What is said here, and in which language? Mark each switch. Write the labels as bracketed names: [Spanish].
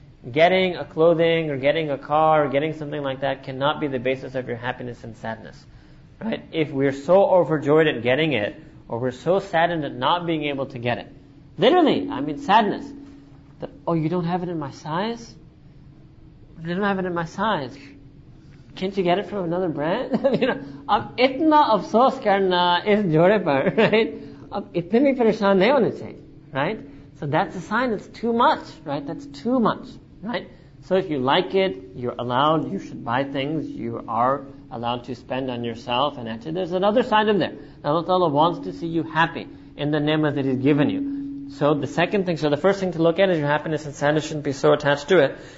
[English] Getting a clothing or getting a car or getting something like that cannot be the basis of your happiness and sadness. Right? If we're so overjoyed at getting it, or we're so saddened at not being able to get it. Literally, I mean sadness. Oh, you don't have it in my size? You don't have it in my size. Can't you get it from another brand? [Hindi] You know, इतना अफ़सोस करना इस जोड़े पर, right? अब इतनी परेशान नहीं होनी चाहिए, right? [English] So that's a sign it's too much, right? That's too much, right? So if you like it, you're allowed, you should buy things, you are allowed to spend on yourself, and actually there's another side of there. Allah Ta'ala wants to see you happy in the ni'mah that He's given you. So the second thing, so the first thing to look at is your happiness and sadness shouldn't be so attached to it.